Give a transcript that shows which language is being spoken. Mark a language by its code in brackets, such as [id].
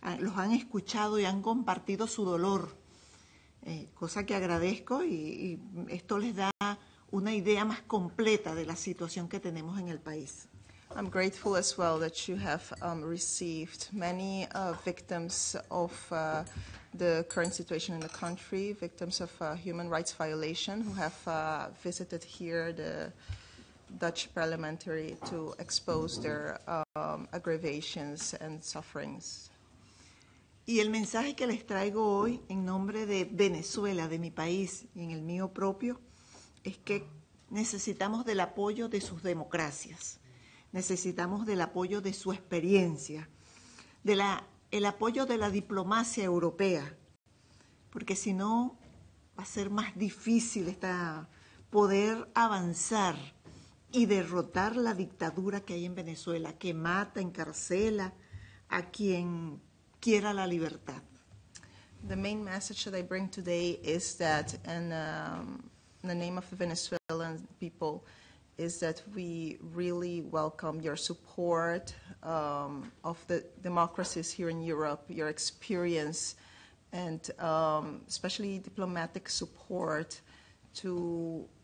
[es] Los han escuchado y han compartido su dolor. Cosa que agradezco y esto les da una idea más completa de la situación que tenemos en el país. [en] I'm grateful as well that you have received many victims of the current situation in the country, victims of human rights violation, who have visited here the Dutch parliamentary to expose their aggravations and sufferings. [es] Y el mensaje que les traigo hoy en nombre de Venezuela, de mi país y en el mío propio, es que necesitamos del apoyo de sus democracias. Necesitamos del apoyo de su experiencia, el apoyo de la diplomacia europea, porque si no va a ser más difícil poder avanzar y derrotar la dictadura que hay en Venezuela, que mata, encarcela a quien quiera la libertad. [en] The main message that I bring today is that, in the name of the Venezuelan people, is that we really welcome your support of the democracies here in Europe, your experience, and especially diplomatic support to